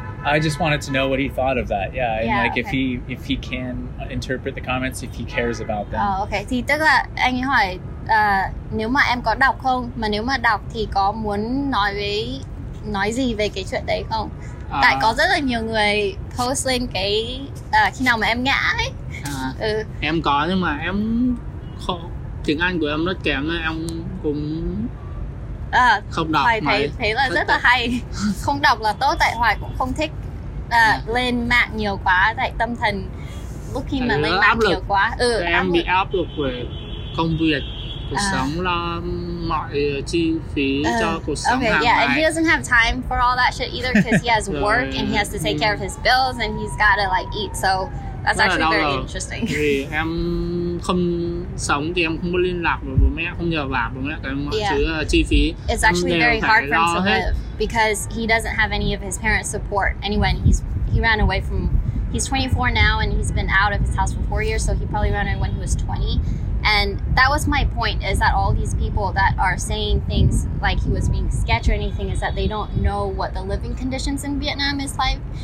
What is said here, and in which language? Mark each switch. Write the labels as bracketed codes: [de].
[en] I just wanted to know what he thought of that. Yeah, and like okay. if he can interpret the comments, if he cares about them. Oh, okay. [vi] Thì tức là anh ấy hỏi nếu mà em có đọc không, mà nếu mà đọc thì có muốn nói gì về cái chuyện đấy không? Tại có rất là nhiều người post lên cái khi nào mà em ngã ấy. Em có nhưng mà em không, tiếng Anh của em rất kém nên em cũng không đọc. Hoài thấy là rất là hay. Không đọc là tốt, tại Hoài cũng không thích lên mạng nhiều quá. Tại tâm thần lúc khi mà lên mạng nhiều quá. Em bị áp lực về công việc. Cuộc sống là mọi chi phí cho cuộc sống hàng ngày. [en] And he doesn't have time for all that shit either because he has work and he has to take care of his bills and he's got to like eat. So that's actually very interesting. Thì em không sống thì em không có liên lạc với bố mẹ, không nhờ vả bố mẹ cái mọi thứ chi phí. It's actually very hard for him to live because he doesn't have any of his parents' support. Anyway, he ran away from. He's 24 now and he's been out of his house for 4 years, so he probably ran away when he was 20. And that was my point, is that all these people that are saying things like he was being sketched or anything is that they don't know what the living conditions in Vietnam is like.